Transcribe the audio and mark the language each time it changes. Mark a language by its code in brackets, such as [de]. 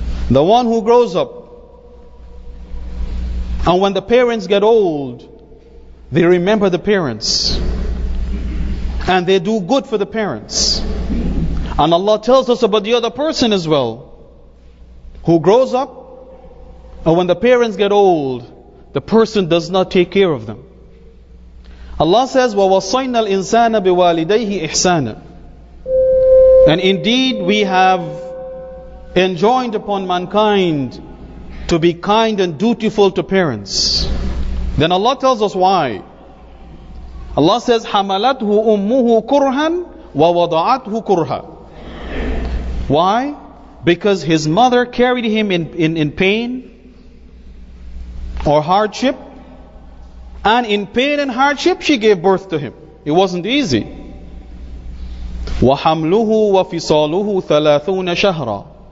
[en] The one who grows up, and when the parents get old, they remember the parents and they do good for the parents. And Allah tells us about the other person as well, who grows up, and when the parents get old, the person does not take care of them. Allah says, [ar] وَوَصَيْنَا الْإِنسَانَ بِوَالِدَيْهِ إِحْسَانًا. [en] And indeed we have enjoined upon mankind to be kind and dutiful to parents. Then Allah tells us why. Allah says, [ar] حَمَلَتْهُ أُمُّهُ كُرْهًا وَوَضَعَتْهُ كُرْهًا. [en] Why? Because his mother carried him in pain or hardship. And in pain and hardship, she gave birth to him. It wasn't easy. [ar] وَحَمْلُهُ وَفِصَالُهُ ثَلَاثُونَ شَهْرًا.